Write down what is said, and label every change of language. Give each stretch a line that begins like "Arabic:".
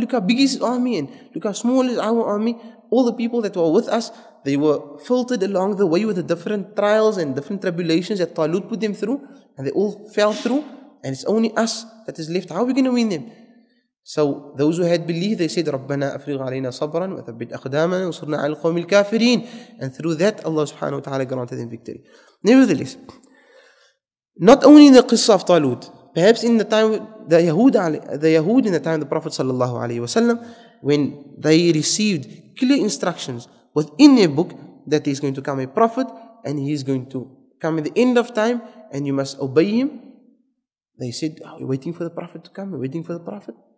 English: Look how big is his army and look how small is our army. All the people that were with us, they were filtered along the way with the different trials and different tribulations that Talut put them through, and they all fell through, and it's only us that is left. How are we going to win them? So those who had believed, they said,
Arabic: رَبَّنَا أَفْرِغْ عَلَيْنَا صَبْرًا وَثَبِّتْ أَقْدَامًا وَصُرْنَا عَلَى الْقَوْمِ الْكَافِرِينَ.
English: And through that, Allah subhanahu wa ta'ala granted them victory. Nevertheless, not only in the qissa of Talut, perhaps in the time of the Yahud in the time of the Prophet sallallahu alayhi wasallam, when they received clear instructions within their book that he is going to come a prophet and he is going to come at the end of time and you must obey him, they said, oh, we're waiting for the prophet to come, we're waiting for the prophet.